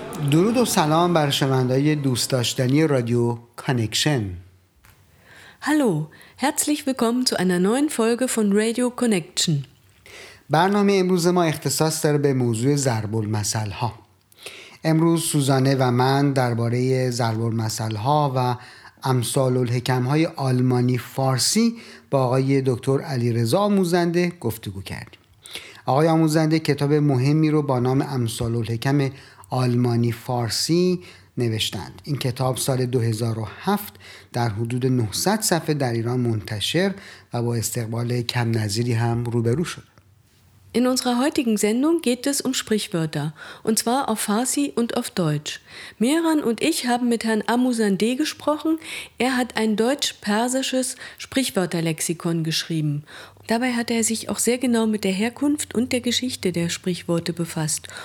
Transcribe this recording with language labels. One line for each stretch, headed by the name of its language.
Persian: درود و سلام بر شنوندگان دوست داشتنی رادیو کانکشن.
German: هالو، herzlich willkommen zu einer neuen Folge von Radio Connection.
Persian: برنامه امروز ما اختصاص داره به موضوع ضرب المثل ها. امروز سوزانه و من درباره ضرب المثل ها و امثال الحکم های آلمانی فارسی با آقای دکتر علیرضا آموزنده گفتگو کردیم. آقای آموزنده کتاب مهمی رو با نام امثال الحکم آلمانی فارسی نوشتند. این کتاب سال 2007 در حدود 900 صفحه در ایران منتشر و با استقبال کم نظیری هم روبرو شد.
German: In unserer heutigen Sendung geht es Sprichwörter, und zwar auf Farsi und auf Deutsch. Mehran und ich haben mit Herrn Amuzandeh gesprochen. Er hat ein deutsch-persisches Sprichwörterlexikon geschrieben. Dabei hat er sich auch sehr genau mit der Herkunft und der Geschichte der Sprichworte befasst.